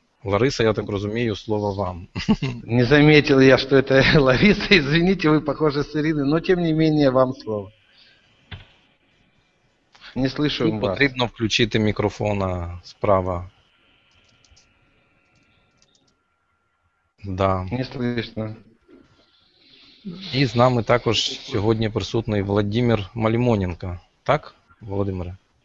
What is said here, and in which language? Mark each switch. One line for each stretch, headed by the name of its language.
Ukrainian: Лариса, я так розумію, слово вам.
Russian: Не заметил я, что это Лариса. Извините, вы похожи с Ириной, но тем не менее вам слово. Не слышу вас.
Ukrainian: Потрібно включити мікрофона справа.
Russian: Да. Не слышно.
Ukrainian: І з нами також сьогодні присутній Володимир Малімоненко. Так, Володимире?